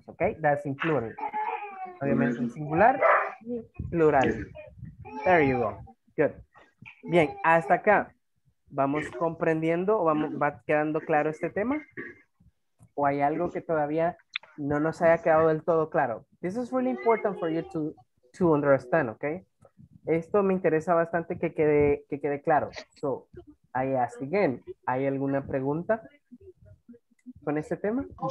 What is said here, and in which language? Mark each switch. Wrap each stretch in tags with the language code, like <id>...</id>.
<en>Ok, that's in plural.</en> <es>Obviamente en singular y plural.</es> <en>There you go. Good.</en> <es>Bien, hasta acá. ¿Vamos comprendiendo o va quedando claro este tema? ¿O hay algo que todavía no nos haya quedado del todo claro?</es> <en>This is really important for you to understand, ¿ok?</en> <es>Esto me interesa bastante que quede claro.</es> <en>So, I ask again,</en> <es>¿hay alguna pregunta con este tema?</es>